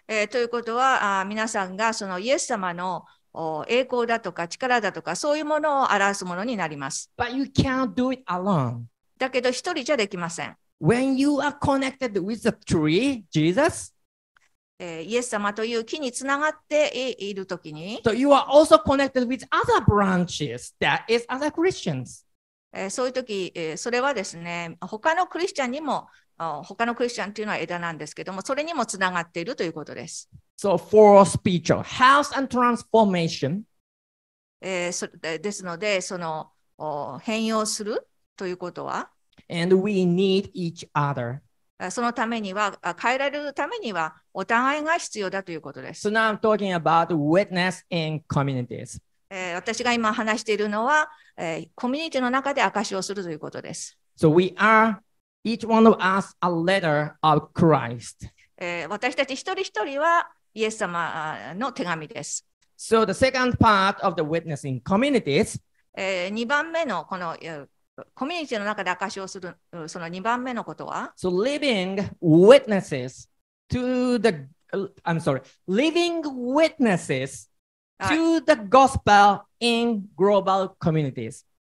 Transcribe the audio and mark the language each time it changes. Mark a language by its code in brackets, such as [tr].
[ja] ということは、皆さんがそのイエス様の栄光だとか力だとかそういうものを表すものになります。 [en] But you can't do it alone. [ja] だけど一人じゃできません。 [en] When you are connected with the tree, Jesus, [ja] イエス様という木につながっているときに、 [en] So you are also connected with other branches that is other Christians. [ja] そういうとき、それはですね、他のクリスチャンにも、他のクリスチャンというのは枝なんですけども、それにもつながっているということです。 [en] So for spiritual health and transformation, [ja] ですので、その変容するということは、 [en] And we need each other. [ja] そのためには、変えられるためには、お互いが必要だということです。 [en] So now I'm talking about witness in communities. [ja] 私が今話しているのは、コミュニティの中で証をするということです。 [en] So we are, each one of us, a letter of Christ. [ja] 私たち一人一人は、イエス様の手紙です。 [en] So the second part of the witness in communities, [ja] 2番目のこの、コミュニティの中で証をするその2番目のことは、 [en] So living witnesses to the, I'm sorry, living witnesses to the gospel in global communities.